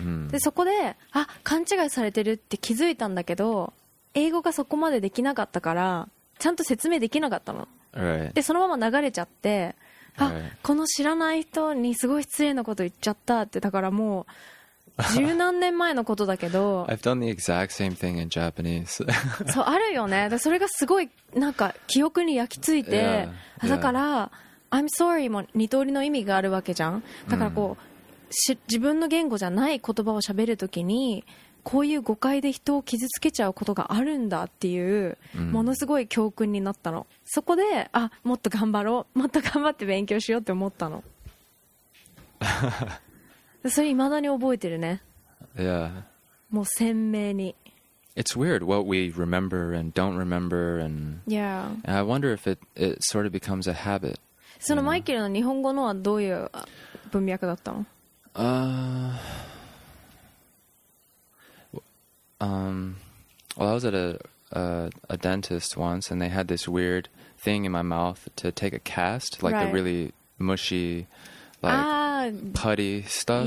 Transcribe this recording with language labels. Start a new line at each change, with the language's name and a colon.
Japanese: でそこで、あ、勘違いされてるって気づいたんだけど、英語がそこまでできなかったからちゃんと説明できなかったの、でそのまま流れちゃって、あ、この知らない人にすごい失礼なこと言っちゃったって。だからもう十何年前のことだけど、
English: I've done the exact same thing in Japanese.
Japanese: そうあるよね。だそれがすごいなんか記憶に焼き付いて、
English: yeah, yeah.
Japanese: だから
English: I'm sorry
Japanese: も二通りの意味があるわけじゃん。だからこう、自分の言語じゃない言葉を喋るときにこういう誤解で人を傷つけちゃうことがあるんだっていう、ものすごい教訓になったの。そこで、あ、もっと頑張ろう、もっと頑張って勉強しようって思ったの。それ未だに覚えてるね。いや。もう鮮明に。
English: It's weird what we remember and don't remember, and yeah. I wonder if it sort of becomes a habit.
Japanese: そのマイケルの日本語のはどういう文脈だったの？
English: Well, I was at a dentist once, and they had this weird thing in my mouth to take a cast, like a really mushy, putty stuff.